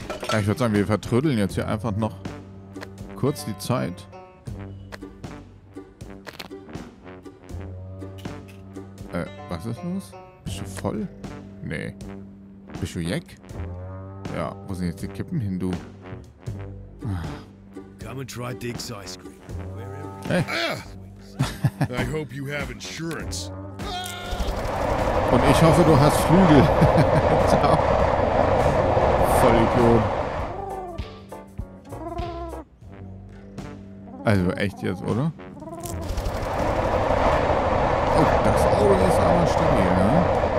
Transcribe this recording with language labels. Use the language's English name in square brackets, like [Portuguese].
[German] Ja, ich würde sagen, wir vertrödeln jetzt hier einfach noch kurz die Zeit. Was ist los? Bist du voll? Nee. Bist du Jack? Ja, wo sind jetzt die Kippen hin, du? [English] Come and try Dick's ice cream. Hey! I hope you have insurance. [German] Und ich hoffe, du hast Flügel. Ciao. Voll gut. Also echt jetzt, oder? Oh, das Auto ist aber stabil, ne?